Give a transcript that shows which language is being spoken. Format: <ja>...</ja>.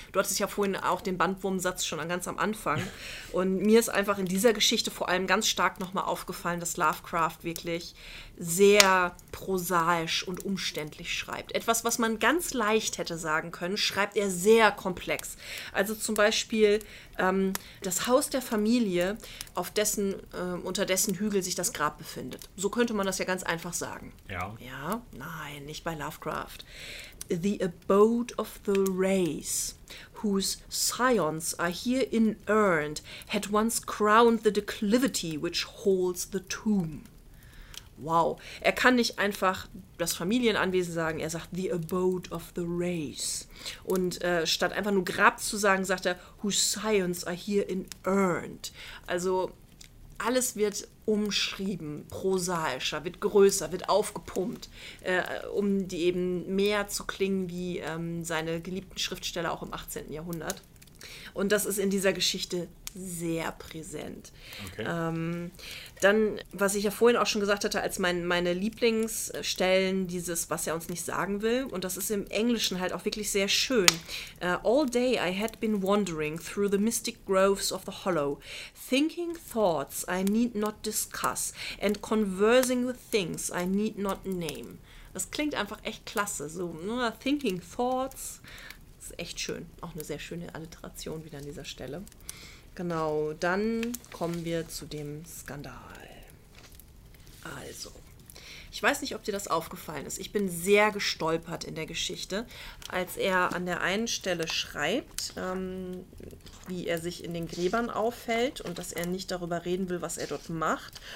<de>Du hattest ja vorhin auch den Bandwurmsatz schon ganz am Anfang. Und mir ist einfach in dieser Geschichte vor allem ganz stark nochmal aufgefallen, dass Lovecraft wirklich sehr prosaisch und umständlich schreibt. Etwas, was man ganz leicht hätte sagen können, schreibt er sehr komplex. Also zum Beispiel das Haus der Familie, unter dessen Hügel sich das Grab befindet. So könnte man das ja ganz einfach sagen. Ja. Ja? Nein, nicht bei Lovecraft.</de> <en>The abode of the race, whose scions are here inurned, had once crowned the declivity which holds the tomb.</en> <de>Wow, er kann nicht einfach das Familienanwesen sagen, er sagt</de> <en>the abode of the race.</en> <de>Und statt einfach nur Grab zu sagen, sagt er,</de> <en>whose scions are here inurned.</en> <de>Also alles wird umschrieben, prosaischer, wird größer, wird aufgepumpt, um die eben mehr zu klingen wie seine geliebten Schriftsteller auch im 18. Jahrhundert. Und das ist in dieser Geschichte sehr präsent. Okay. Dann, was ich ja vorhin auch schon gesagt hatte, als meine Lieblingsstellen, dieses, was er uns nicht sagen will, und das ist im Englischen halt auch wirklich sehr schön.</de> <en>All day I had been wandering through the mystic groves of the hollow, thinking thoughts I need not discuss and conversing with things I need not name.</en> <de>Das klingt einfach echt klasse, so nur</de> <en>thinking thoughts.</en> <de>Das ist echt schön. Auch eine sehr schöne Alliteration wieder an dieser Stelle. Genau, dann kommen wir zu dem Skandal. Also, ich weiß nicht, ob dir das aufgefallen ist. Ich bin sehr gestolpert in der Geschichte, als er an der einen Stelle schreibt, wie er sich in den Gräbern aufhält und dass er nicht darüber reden will, was er dort macht.</de>